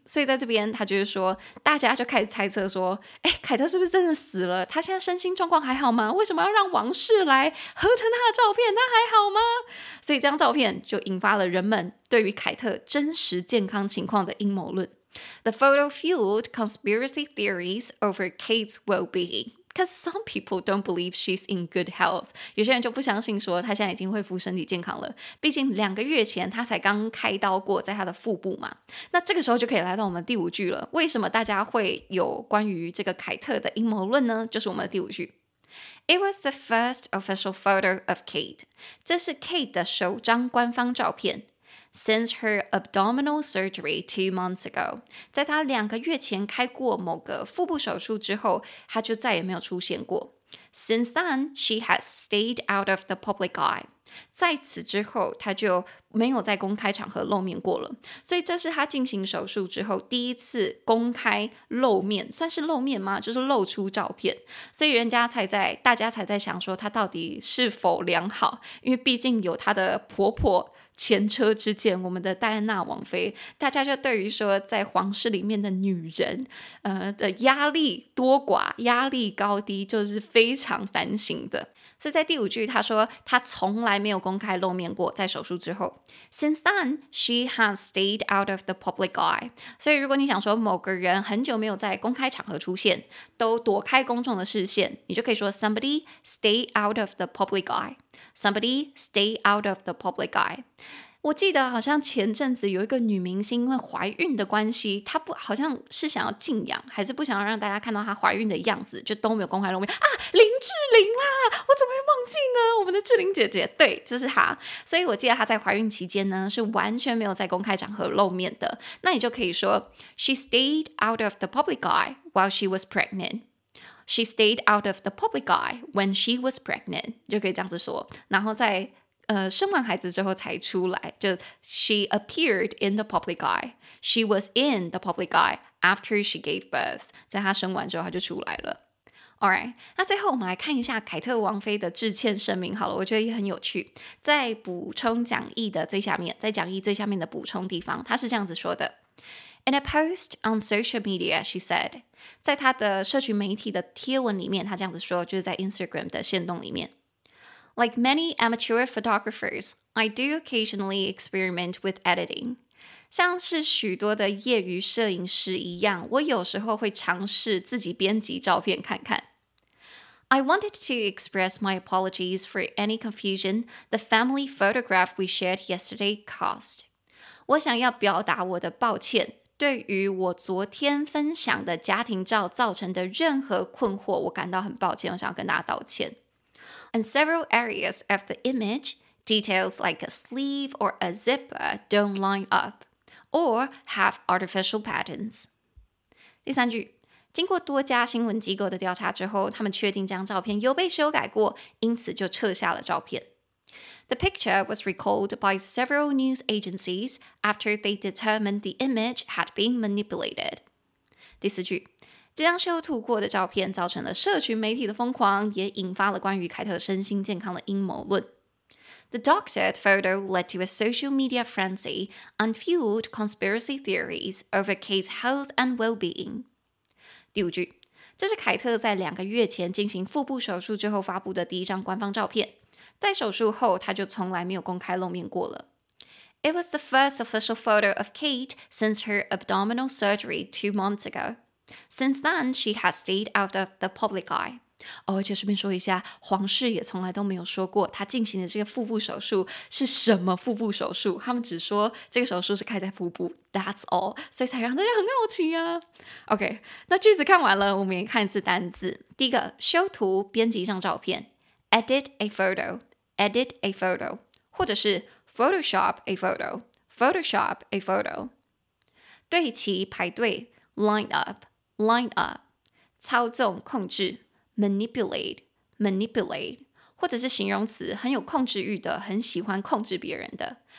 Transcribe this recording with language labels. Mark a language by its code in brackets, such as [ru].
[zh] 所以在这边他就是说，大家就开始猜测说，哎，凯特是不是真的死了？他现在身心状况还好吗？为什么要让王室来合成他的照片？他还好吗？所以这张照片就引发了人们对于凯特真实健康情况的阴谋论。 [en] The photo fueled conspiracy theories over Kate's well-being, because some people don't believe she's in good health. [zh] 有些人就不相信说她现在已经恢复身体健康了，毕竟两个月前她才刚开刀过在她的腹部嘛。那这个时候就可以来到我们第五句了，为什么大家会有关于这个凯特的阴谋论呢？就是我们的第五句。 [en] It was the first official photo of Kate. [zh] 这是 Kate 的首张官方照片。 [en] Since her abdominal surgery 2 months ago, [zh] 在她两个月前开过某个腹部手术之后，她就再也没有出现过。 [en] Since then, she has stayed out of the public eye. [zh] 在此之后，她就没有在公开场合露面过了。所以这是她进行手术之后第一次公开露面，算是露面吗？就是露出照片。所以大家才在想说她到底是否良好，因为毕竟有她的婆婆前车之鉴，我们的戴安娜王妃，大家就对于说在皇室里面的女人的压力多寡，压力高低，就是非常担心的。所以在第五句他说他从来没有公开露面过在手术之后。 [en] Since then, she has stayed out of the public eye. [zh] 所以如果你想说某个人很久没有在公开场合出现，都躲开公众的视线，你就可以说 [en] somebody stay out of the public eye. Somebody stay out of the public eye. [zh] 我记得好像前阵子有一个女明星因为怀孕的关系，她不好像是想要静养，还是不想要让大家看到她怀孕的样子，就都没有公开露面啊。林志玲啦，我怎么会忘记呢？我们的志玲姐姐，对，就是她。所以我记得她在怀孕期间呢是完全没有在公开场合露面的。那你就可以说 [en] She stayed out of the public eye while she was pregnant. She stayed out of the public eye when she was pregnant. [zh] 就可以这样子说，然后在生完孩子之后才出来，就 [en] She appeared in the public eye. She was in the public eye after she gave birth. [zh] 在她生完之后她就出来了。Alright, 那最后我们来看一下凯特王妃的致歉声明好了，我觉得也很有趣。在补充讲义的最下面，在讲义最下面的补充地方，她是这样子说的。 [en] In a post on social media, she said, [zh] 在她的社群媒体的贴文里面，她这样子说，就是在 Instagram 的限动里面。 [en] Like many amateur photographers, I do occasionally experiment with editing. [zh] 像是许多的业余摄影师一样，我有时候会尝试自己编辑照片看看。 [en] I wanted to express my apologies for any confusion the family photograph we shared yesterday caused. [zh] 我想要表达我的抱歉，对于我昨天分享的家庭照造成的任何困惑，我感到很抱歉，我想要跟大家道歉。 [en] In several areas of the image, details like a sleeve or a zipper don't line up. Or have artificial patterns. [zh] 第三句，经过多家新闻机构的调查之后，他们确定这张照片有被修改过，因此就撤下了照片。 [en] The picture was recalled by several news agencies after they determined the image had been manipulated. [zh] 第四句，这张修图过的照片造成了社群媒体的疯狂，也引发了关于凯特身心健康的阴谋论。 [en] The doctored photo led to a social media frenzy and fueled conspiracy theories over Kate's health and well-being. [zh] 第五句，这是凯特在两个月前进行腹部手术之后发布的第一张官方照片。在手术后，她就从来没有公开露面过了。 [en] It was the first official photo of Kate since her abdominal surgery 2 months ago. Since then, she has stayed out of the public eye. [zh] 哦，而且顺便说一下，皇室也从来都没有说过他进行的这个腹部手术是什么腹部手术，他们只说这个手术是开在腹部 [en] That's all， [zh] 所以才让大家很好奇啊。 OK， 那句子看完了，我们也看一次单字。第一个，修图编辑一张照片， [en] Edit a photo， [zh] Edit a photo， 或者是 [en] Photoshop a photo， [zh] Photoshop a photo， 对齐排队， [en] Line up， [zh] Line up， 操纵控制，Manipulate, manipulate, 或者是形容词，很有控制欲的，很喜欢控制别人的。